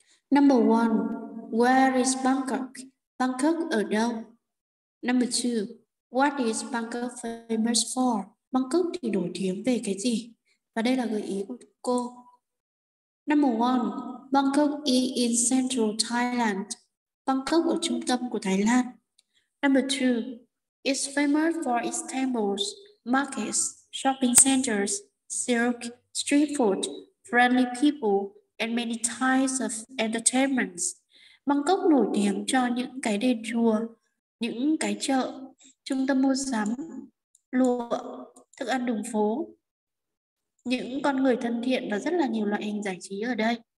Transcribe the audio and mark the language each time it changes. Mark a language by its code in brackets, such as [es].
[en] Number 1, where is Bangkok? [vi] Bangkok ở đâu? [en] Number 2, what is Bangkok famous for? [vi] Bangkok thì nổi tiếng về cái gì? Và đây là gợi ý của cô. [en] Number 1, Bangkok is in central Thailand. [vi] Bangkok ở trung tâm của Thái Lan. [en] Number 2, it's famous for its temples, markets, shopping centers, silk, street food, friendly people, and many types of entertainments. [vi] Bangkok nổi tiếng cho những cái đền chùa, những cái chợ, trung tâm mua sắm, lụa, thức ăn đường phố, những con người thân thiện và rất là nhiều loại hình giải trí ở đây.